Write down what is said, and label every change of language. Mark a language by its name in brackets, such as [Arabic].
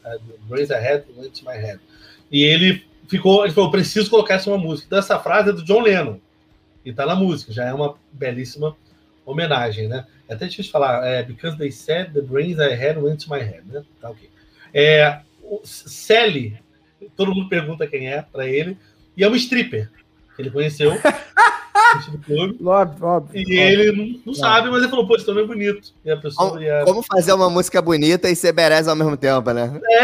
[English] "The brains I had went to my head". [Portuguese] E ele falou, preciso colocar essa uma música. Então essa frase é do John Lennon, e tá na música, já é uma belíssima homenagem, né? É até difícil falar, [English] "because they said the brains I had went to my head", [Portuguese] né? Tá ok. Sally, todo mundo pergunta quem é pra ele, e é um stripper que ele conheceu no clube. Óbvio. Ele não sabe, mas ele falou, pô, esse nome é bonito. E a pessoa, como fazer uma música bonita e ser berés ao mesmo tempo, né?